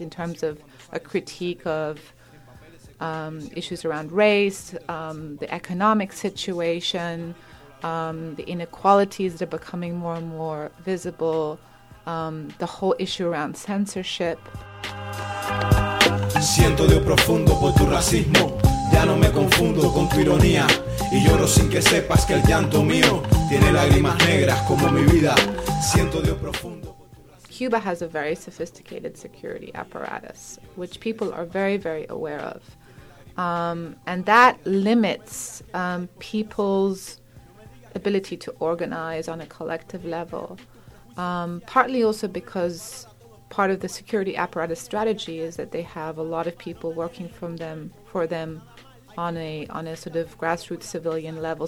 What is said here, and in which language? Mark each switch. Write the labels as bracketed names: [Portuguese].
[English] In terms of a critique of issues around race, the economic situation, the inequalities that are becoming more and more visible, the whole issue around censorship. [Spanish] Siento de profundo por tu racismo, ya no me confundo con tu ironía. Y lloro sin que sepas que el llanto mío tiene lágrimas negras como mi vida. Siento de profundo. [English] Cuba has a very sophisticated security apparatus, which people are very, very aware of. And that limits people's ability to organize on a collective level, partly also because part of the security apparatus strategy is that they have a lot of people working for them on a sort of grassroots civilian level.